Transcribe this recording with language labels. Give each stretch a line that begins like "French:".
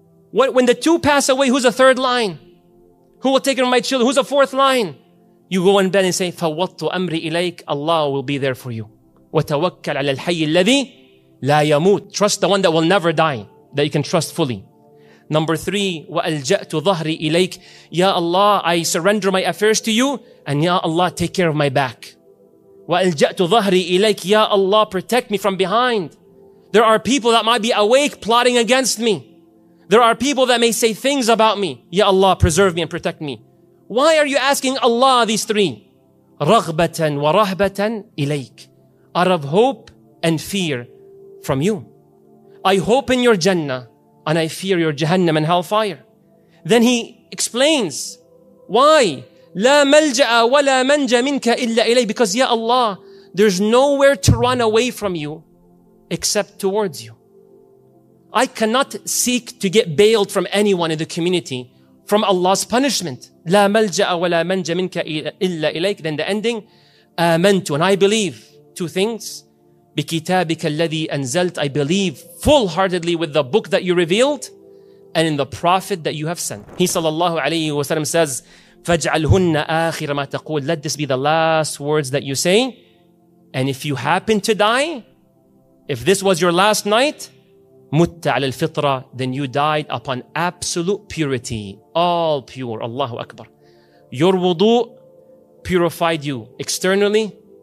English: What, when the 2 pass away, who's the 3rd line? Who will take care of my children? Who's the 4th line? You go in bed and say,
Arabic: فَوَطُّ أَمْرِ إِلَيْكَ.
English: Allah will be there for you.
Arabic: وَتَوَكَّلْ عَلَى الْحَيِّ الَّذِي لَا يَمُوتُ.
English: Trust the one that will never die, that you can trust fully. Number 3,
Arabic: وَأَلْجَأْتُ ظَهْرِ إِلَيْكَ.
English: Ya Allah, I surrender my affairs to you, and Ya Allah, take care of my back.
Arabic: وَأَلْجَأْتُ ظَهْرِ إِلَيْكَ.
English: Ya Allah, protect me from behind. There are people that might be awake plotting against me. There are people that may say things about me. Ya Allah, preserve me and protect me. Why are you asking Allah these 3?
Arabic: رَغْبَةً وَرَهْبَةً إِلَيْكَ.
English: Out of hope and fear from you. I hope in your Jannah, and I fear your Jahannam and hellfire. Then he explains, Why?
Arabic: لا ملجأ ولا منجا منك إلا إليه.
English: Because ya Allah, there's nowhere to run away from you except towards you. I cannot seek to get bailed from anyone in the community from Allah's punishment.
Arabic: لا ملجأ ولا منجا منك إلا إليك.
English: Then the ending, آمنت. And I believe two things.
Arabic: بكتابك الذي أنزلت.
English: I believe full-heartedly with the book that you revealed and in the prophet that you have sent. He
Arabic: صلى الله عليه وسلم
English: says,
Arabic: فاجعلهن آخر ما تقول.
English: Let this be the last words that you say. And if you happen to die, if this was your last night,
Arabic: مت على الفطرة,
English: then you died upon absolute purity. All pure. Allahu Akbar. Your wudu purified you externally.